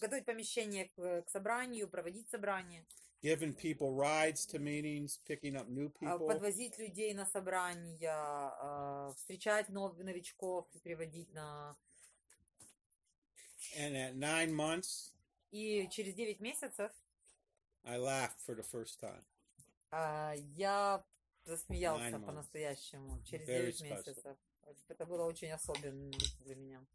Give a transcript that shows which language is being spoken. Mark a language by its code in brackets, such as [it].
[ru] Готовить помещение к собранию, проводить собрание. [en] Giving people rides to meetings, picking up new people. [ru] Подвозить людей на собрания, встречать новых новичков, приводить на. [en] And at 9 months. [ru] И через 9 месяцев. [en] I laughed for the first time. [ru] Я засмеялся по-настоящему через 9 месяцев. Это было очень особенно для меня.